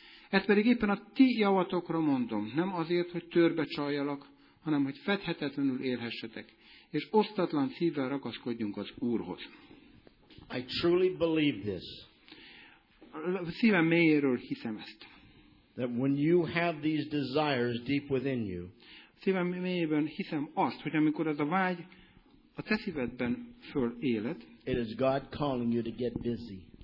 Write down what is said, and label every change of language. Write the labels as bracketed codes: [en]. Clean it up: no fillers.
[hu] Ezt pedig éppen a ti javatokra mondom, nem azért, hogy törbe csaljalak, hanem hogy fedhetetlenül élhessetek, és osztatlan szívvel ragaszkodjunk az Úrhoz. [en] I truly believe this. [hu] Szívem mélyéről hiszem ezt. [en] that when you have these desires deep within you, [hu] szívem mélyében hiszem azt, hogy amikor ez a vágy a te szívedben föléled, [en] it is God calling you to get busy.